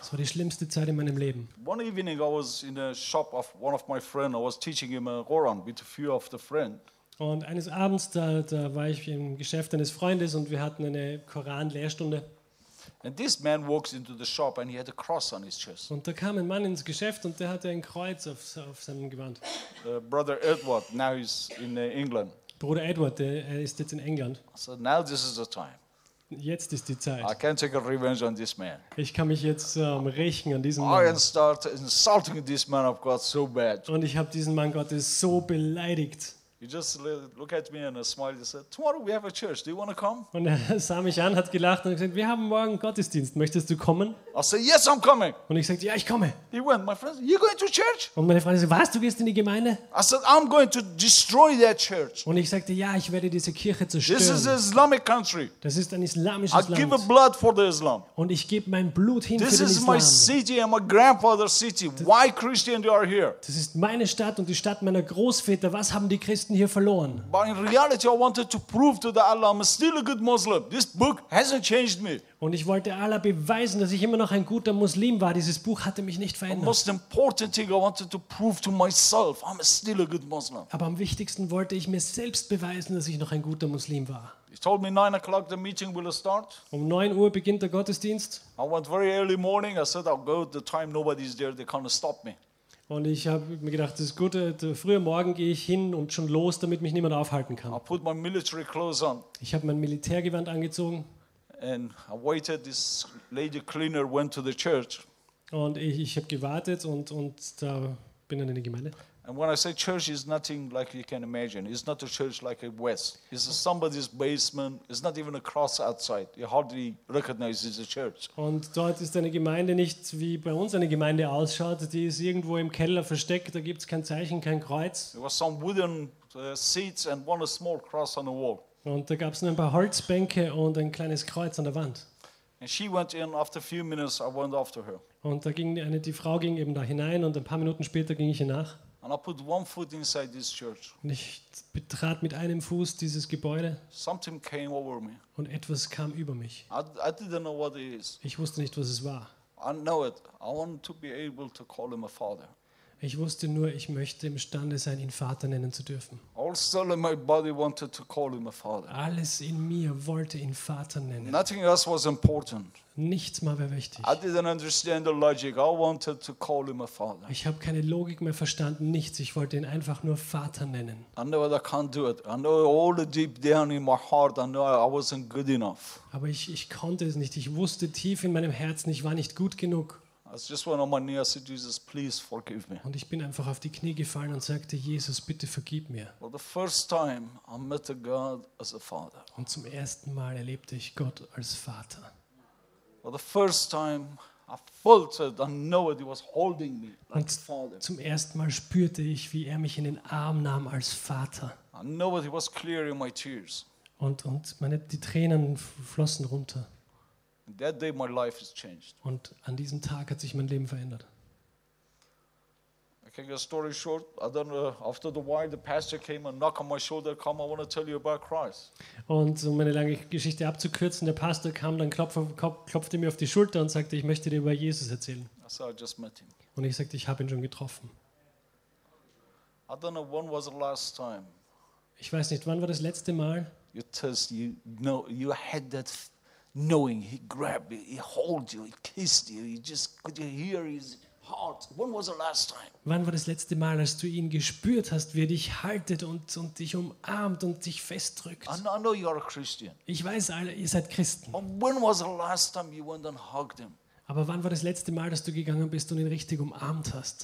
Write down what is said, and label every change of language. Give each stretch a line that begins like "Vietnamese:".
German: Es war die schlimmste Zeit in meinem Leben.
English: One evening, I was in a shop of one of my friends. I was teaching him a Quran with a few of the friends.
German: Und eines Abends, da war ich im Geschäft eines Freundes und wir hatten eine Koran-Lehrstunde.
English: And this man walks into the shop and he had a cross on his chest.
German: Und da kam ein Mann ins Geschäft und der hatte ein Kreuz auf seinem Gewand.
English: Brother Edward, now he's in England.
German: Bruder Edward, er ist jetzt in England.
English: So now this is the time.
German: Jetzt ist die Zeit.
English: I can take a revenge on this man.
German: Ich kann mich jetzt rächen an diesem
English: Mann. I can start insulting this man of God so bad.
German: Und ich habe diesen Mann Gottes so beleidigt.
English: He just looked at me and smiled and said, "Tomorrow we have a church. Do you want to come?"
German: Und er sah mich an, hat gelacht und gesagt, "Wir haben morgen Gottesdienst. Möchtest du kommen?"
English: I said, "Yes, I'm coming."
German: Und ich sagte, "Ja, ich komme."
English: He went, "My friend, you going to church?"
German: Und meine Freundin sagte, "Was, du gehst in die Gemeinde?"
English: I said, "I'm going to destroy that church."
German: Und ich sagte, "Ja, ich werde diese Kirche zerstören."
English: This is an Islamic country.
German: Das ist ein islamisches Land.
English: I give blood for the Islam.
German: Und ich gebe mein Blut hin für den Islam.
English: This is my city and my grandfather's city. Why Christians are here?
German: Das ist meine Stadt und die Stadt meiner Großväter. Was haben die Christen hier verloren?
English: But in reality, I wanted to prove to the Allah, I'm still a good Muslim. This book hasn't changed me.
German: Und ich wollte Allah beweisen, dass ich immer noch ein guter Muslim war. Dieses Buch hatte mich nicht verändert.
English: The most important thing I wanted to prove to myself, I'm still a good Muslim.
German: Aber am wichtigsten wollte ich mir selbst beweisen, dass ich noch ein guter Muslim war.
English: He told me 9 o'clock the meeting will start.
German: Um 9 Uhr beginnt der Gottesdienst.
English: I went very early morning. I said I'll go. The time nobody is there. They can't stop me.
German: Und ich habe mir gedacht, das ist gut, früh am Morgen gehe ich hin und schon los, damit mich niemand aufhalten kann.
English: I put my military clothes on.
German: Ich habe mein Militärgewand angezogen.
English: And I waited. This lady cleaner went to the church.
German: Und ich habe gewartet und da bin dann in die Gemeinde.
English: And when I say church, it's nothing like you can imagine. It's not a church like a West. It's somebody's basement. It's not even a cross outside. You hardly recognize it's a church.
German: Und dort ist eine Gemeinde nicht wie bei uns eine Gemeinde ausschaut. Die ist irgendwo im Keller versteckt. Da gibt's kein Zeichen, kein Kreuz.
English: There were some wooden seats and one small cross on the wall.
German: Und da gab's nur ein paar Holzbänke und ein kleines Kreuz an der Wand.
English: And she went in after a few minutes. I went after her.
German: Und da ging die Frau ging eben da hinein und ein paar Minuten später ging ich ihr nach.
English: And I put one foot inside this church.
German: Ich betrat mit einem Fuß dieses Gebäude.
English: Something came over me.
German: Und etwas kam über mich.
English: I didn't know what it is.
German: Ich wusste nicht, was es war.
English: I know it. I want to be able to call him a father.
German: Ich wusste nur, ich möchte imstande sein, ihn Vater nennen zu dürfen.
English: All soul in my body wanted to call him a father.
German: Alles in mir wollte ihn Vater nennen.
English: Nothing else was important.
German: Nichts mehr war wichtig.
English: I didn't understand the logic. I wanted to call him a father.
German: Ich habe keine Logik mehr verstanden, nichts. Ich wollte ihn einfach nur Vater nennen.
English: I know that I can't do it. I know all the deep down in my heart, I know I wasn't good enough.
German: Aber ich konnte es nicht. Ich wusste tief in meinem Herzen, ich war nicht gut genug.
English: I just went on my knees and said, "Jesus, please forgive me."
German: Und ich bin einfach auf die Knie gefallen und sagte, Jesus, bitte vergib mir.
English: For the first time, I met a God as a father.
German: Und zum ersten Mal erlebte ich Gott als Vater.
English: For the first time, I felt it and knew it. He was holding me like a father.
German: Zum ersten Mal spürte ich, wie mich in den Arm nahm als Vater.
English: I knew it. He was clear in my tears.
German: Und meine die Tränen flossen runter.
English: That day my life has changed.
German: Und an diesem Tag hat sich mein Leben verändert.
English: I can get a story short. I don't know, after the while the pastor came and knocked on my shoulder, "Come, I want to tell you about Christ."
German: Und um meine lange Geschichte abzukürzen, der Pastor kam, dann klopfte mir auf die Schulter und sagte, ich möchte dir über Jesus erzählen.
English: So I just met him.
German: Und ich sagte, ich habe ihn schon getroffen.
English: I don't know when was the last time.
German: Ich weiß nicht, wann war das letzte Mal?
English: You had that knowing he grabbed you, he held you, he kissed you, he just could you hear his heart. When was the last time?
German: Wann war das letzte Mal, als du ihn gespürt hast, wie er dich haltet und dich umarmt und dich festdrückt?
English: I know you're a Christian.
German: Ich weiß, alle, ihr seid Christen.
English: But when was the last time you went and hugged him?
German: Aber wann war das letzte Mal, dass du gegangen bist und ihn richtig umarmt hast?